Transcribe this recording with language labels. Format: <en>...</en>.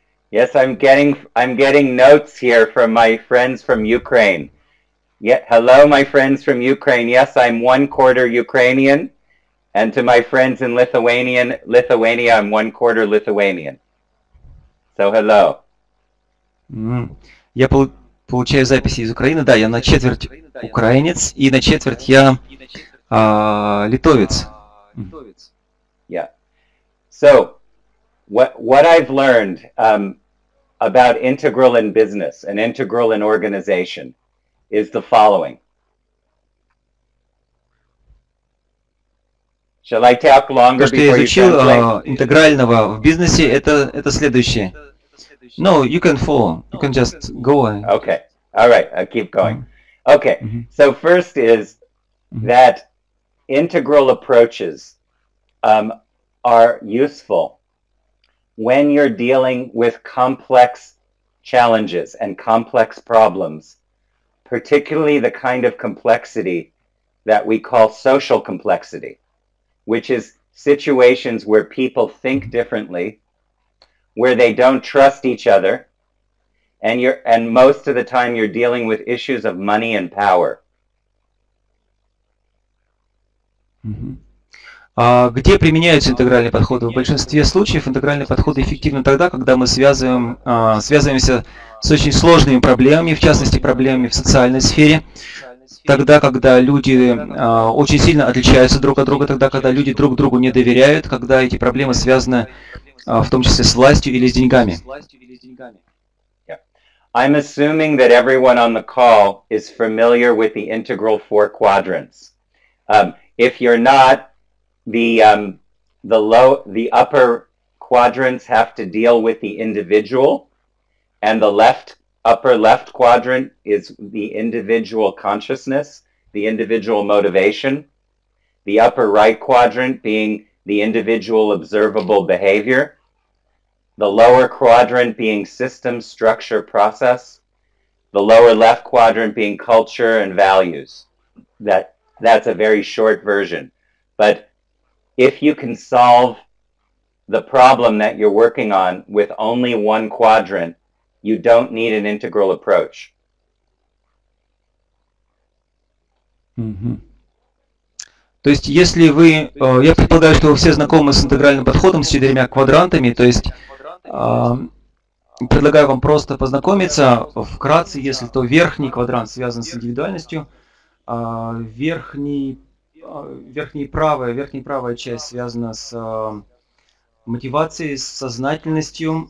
<en>Yes, I'm getting notes here from my friends from Ukraine. Yeah, hello, my friends from Ukraine. Yes, I'm one quarter Ukrainian. And to my friends in Lithuania, I'm one quarter Lithuanian. So, hello.</en> <ru>Я получаю записи из Украины. Да, я на четверть украинец, и на четверть я литовец.</ru> <en>Yeah. So, what I've learned about integral in business and integral in organization is the following. Shall I talk longer before you translate?</en> <ru>Что я изучил интегрального в бизнесе, это следующее.</ru> <en>No, you can follow. You can just go on. Okay. All right. I'll keep going. Okay. Mm-hmm. So first is that integral approaches are useful when you're dealing with complex challenges and complex problems, particularly the kind of complexity that we call social complexity, which is situations where people think differently, where they don't trust each other, and most of the time you're dealing with issues of money and power.</en> <ru>Где применяются интегральные подходы? В большинстве случаев интегральные подходы эффективны тогда, когда мы связываемся с очень сложными проблемами, в частности проблемами в социальной сфере. Тогда, когда люди очень сильно отличаются друг от друга, тогда, когда люди друг другу не доверяют, когда эти проблемы связаны в том числе с властью или с деньгами.</ru> <en>Yeah. I'm assuming that everyone on the call is familiar with the integral four quadrants. If you're not, the upper quadrants have to deal with the individual, and the upper left quadrant is the individual consciousness, the individual motivation. The upper right quadrant being the individual observable behavior. The lower quadrant being system, structure, process. The lower left quadrant being culture and values. That's a very short version. But if you can solve the problem that you're working on with only one quadrant, you don't need an integral approach. Mm-hmm.</en> <ru>То есть, если вы, я предполагаю, что вы все знакомы с интегральным подходом, с четырьмя квадрантами, то есть, предлагаю вам просто познакомиться вкратце, если то верхний квадрант связан с индивидуальностью, верхняя правая часть связана с мотивации, с сознательностью.</ru>